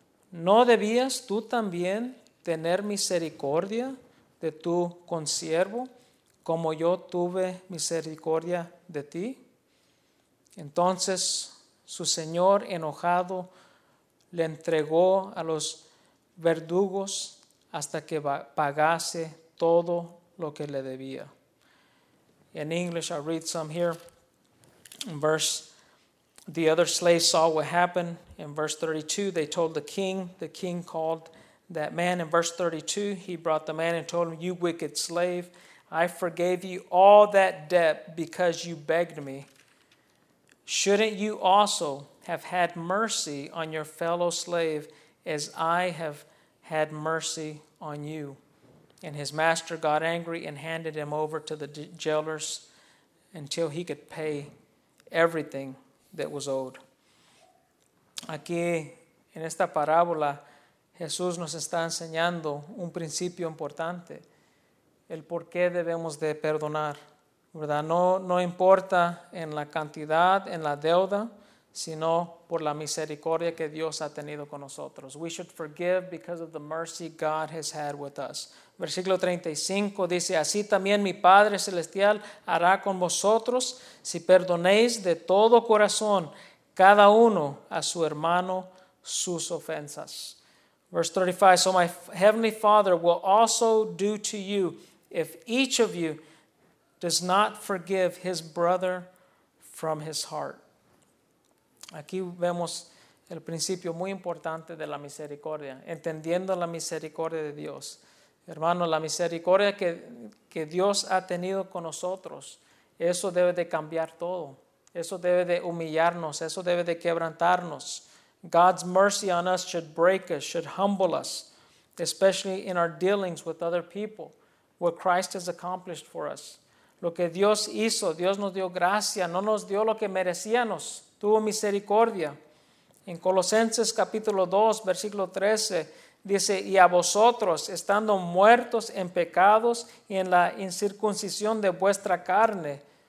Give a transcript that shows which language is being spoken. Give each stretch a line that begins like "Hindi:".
Spanish: ¿No debías tú también tener misericordia de tu consiervo, como yo tuve misericordia de ti? Entonces su señor, enojado, le entregó a los verdugos hasta que pagase todo lo que le debía.
English: In English, I'll read some here. In verse, the other slaves saw what happened. In verse 32, they told the king. The king called that man. In verse 32, he brought the man and told him, you wicked slave, I forgave you all that debt because you begged me. Shouldn't you also have had mercy on your fellow slave as I have had mercy on you? And his master got angry and handed him over to the jailers until he could pay everything that was owed.
Spanish: Aquí, en esta parábola, Jesús nos está enseñando un principio importante, el por qué debemos de perdonar, ¿verdad? No importa en la cantidad, en la deuda, sino por la misericordia que Dios ha tenido con nosotros.
English: We should forgive because of the mercy God has had with us.
Spanish: Versículo 35 dice, así también mi Padre Celestial hará con vosotros si perdonéis de todo corazón cada uno a su hermano sus ofensas.
English: Verse 35, so my heavenly Father will also do to you if each of you does not forgive his brother from his heart.
Spanish: Aquí vemos el principio muy importante de la misericordia, entendiendo la misericordia de Dios. Hermano, la misericordia que Dios ha tenido con nosotros, eso debe de cambiar todo. Eso debe de humillarnos, eso debe de quebrantarnos.
English: God's mercy on us should break us, should humble us, especially in our dealings with other people, what Christ has accomplished for us.
Spanish: Lo que Dios hizo, Dios nos dio gracia, no nos dio lo que merecíamos, tuvo misericordia. En Colosenses capítulo 2, versículo 13, dice, y a vosotros, estando muertos en pecados y en la incircuncisión de vuestra carne,